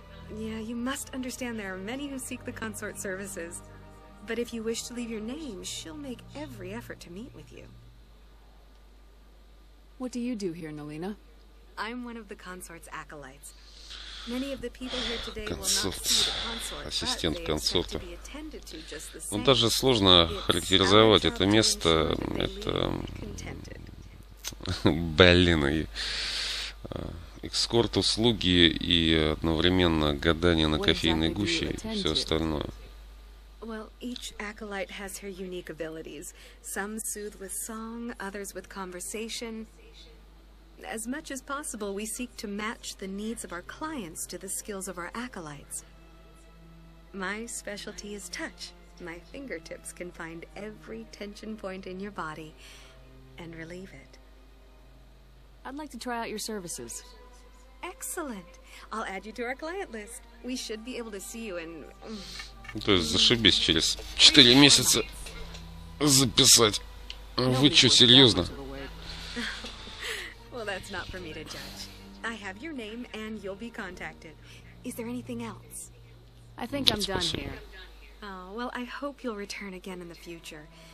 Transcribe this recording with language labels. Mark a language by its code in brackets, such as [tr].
[en] Yeah, you must understand there are many who seek the consort services. But if you wish to leave your name, she'll make every effort to meet with you. What do you do here, Nalina? I'm one of the consort's acolytes. Many of the people here today will not see the consort, [ru] ассистент консорта. Ну, даже сложно характеризовать это место. Это... Блин, и... Экскорт, услуги и одновременно гадание на кофейной гуще и все остальное. [en] Well, each acolyte has her unique abilities. Some soothe with song, others with conversation. As much as possible, we seek to match the needs of our clients to the skills of our acolytes. My specialty is touch. My fingertips can find every tension point in your body and relieve it. I'd like to try out your services. Excellent. I'll add you to our client list. We should be able to see you in... [ru] То есть зашибись, через 4 месяца записать. Вы что, серьезно? [en] Well, that's not for me to judge. I have your name, and you'll be contacted. Is there anything else? I think I'm done here. Oh, well, I hope you'll return again in the future.